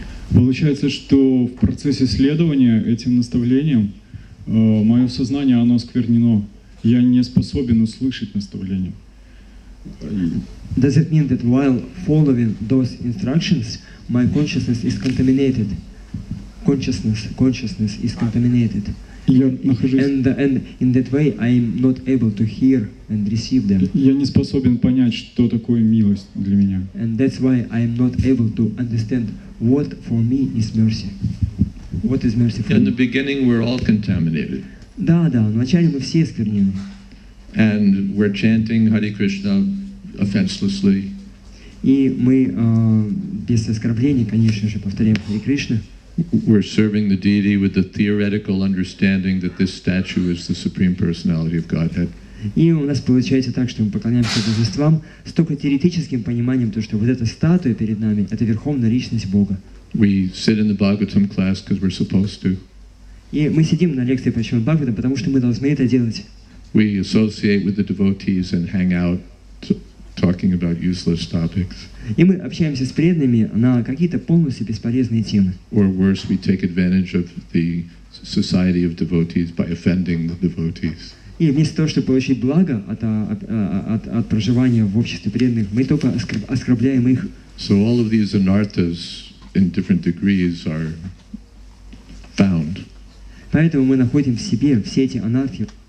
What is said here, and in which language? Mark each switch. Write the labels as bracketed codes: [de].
[ru] Получается, что в процессе следования этим наставлениям мое сознание, оно осквернено. Я не способен услышать наставление. [en] Does it mean that while following those instructions, my consciousness is contaminated? Consciousness is contaminated. And in that way, I'm not able to hear and receive them. [ru] Я не способен понять, что такое милость для меня. [en] And that's why I'm not able to understand what for me is mercy. What is mercy for me? In the beginning, we're all contaminated. [ru] Да, да, вначале мы все осквернены. [en] And we're chanting Hare Krishna offenselessly. [ru] И мы без оскорблений, конечно же, повторяем Hare Krishna. [en] We're serving the deity with the theoretical understanding that this statue is the Supreme Personality of Godhead. [ru] И у нас получается так, что мы поклоняемся божествам с только теоретическим пониманием того, что вот эта статуя перед нами — это верховная личность Бога. [en] We sit in the Bhagavatam class because we're supposed to. [ru] И мы сидим на лекции по Шримад Бхагаватам, потому что мы должны это делать. [en] We associate with the devotees and hang out talking about useless topics. [ru] И мы общаемся с преданными на какие-то полностью бесполезные темы. [en] Or worse, we take advantage of the society of devotees by offending the devotees. [ru] И вместо того, чтобы получить благо от проживания в обществе преданных, мы только оскорбляем их. [en] So all of these anarthas in different degrees are found. [ru] Поэтому мы находим в себе все эти анархи.